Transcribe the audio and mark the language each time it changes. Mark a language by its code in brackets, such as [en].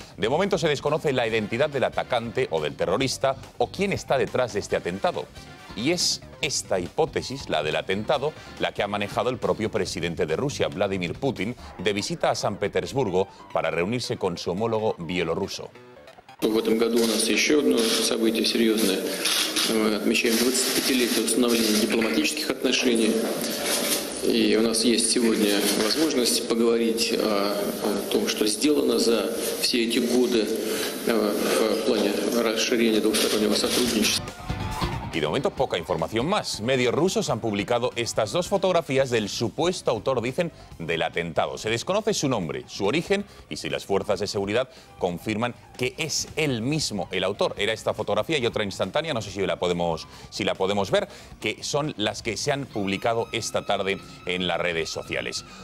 [es] De momento se desconoce la identidad del atacante o del terrorista o quién está detrás de este atentado. Y es esta hipótesis, la del atentado, la que ha manejado el propio presidente de Rusia, Vladimir Putin, de visita a San Petersburgo para reunirse con su homólogo bielorruso. [ru] В этом году у нас еще одно событие серьезное. Мы отмечаем 25-летие установления дипломатических отношений. И у нас есть сегодня возможность поговорить о том, что сделано за все эти годы в плане расширения двустороннего сотрудничества. [es] Y de momento, poca información más. Medios rusos han publicado estas dos fotografías del supuesto autor, dicen, del atentado. Se desconoce su nombre, su origen y si las fuerzas de seguridad confirman que es él mismo el autor. Era esta fotografía y otra instantánea, no sé si la podemos ver, que son las que se han publicado esta tarde en las redes sociales.